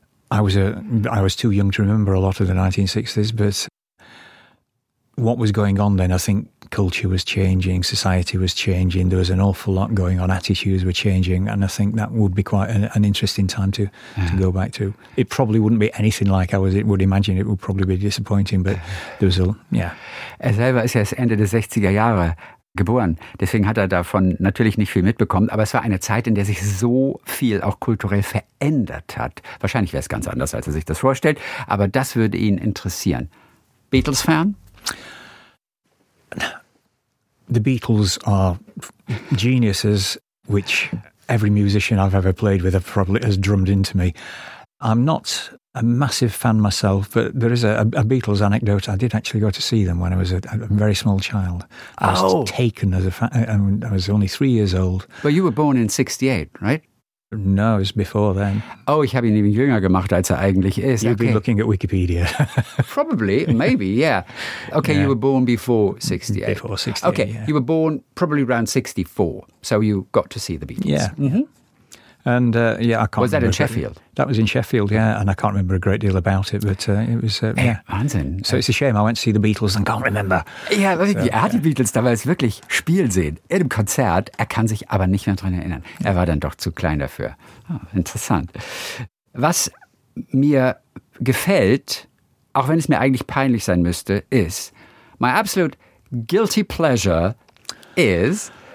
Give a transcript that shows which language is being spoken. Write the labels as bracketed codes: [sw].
[en] I was too young to remember a lot of the 1960s, but what was going on then, I think culture was changing, society was changing, there was an awful lot going on, attitudes were changing, and I think that would be quite an interesting time to go back to. It probably wouldn't be anything like I was. It would imagine, it would probably be disappointing, but there was a, yeah. [de] Er selber ist ja das Ende der 60er Jahre geboren, deswegen hat er davon natürlich nicht viel mitbekommen, aber es war eine Zeit, in der sich so viel auch kulturell verändert hat. Wahrscheinlich wäre es ganz anders, als er sich das vorstellt, aber das würde ihn interessieren. Beatles-Fan? [en] The Beatles are geniuses, which every musician I've ever played with has drummed into me. I'm not a massive fan myself, but there is a Beatles anecdote. I did actually go to see them when I was a very small child. I was only 3 years old. But you were born in 68, right? No, it was before then. [de] Oh, ich habe ihn even jünger gemacht, als er eigentlich ist. [en] You've been looking at Wikipedia. Probably, maybe, yeah. Okay, you were born before 68. Before 68, okay, yeah. You were born probably around 64, so you got to see the Beatles. Yeah. Mm-hmm. And, yeah, I can't remember. Was that in Sheffield? That was in Sheffield, yeah, and I can't remember a great deal about it, but it was, [de] Wahnsinn. [en] So it's a shame, I went to see the Beatles and can't remember. [de] Yeah, so, er hat die Beatles damals wirklich spielen sehen, im Konzert, er kann sich aber nicht mehr daran erinnern. Er war dann doch zu klein dafür. Oh, interessant. Was mir gefällt, auch wenn es mir eigentlich peinlich sein müsste, ist, [en] my absolute guilty pleasure is...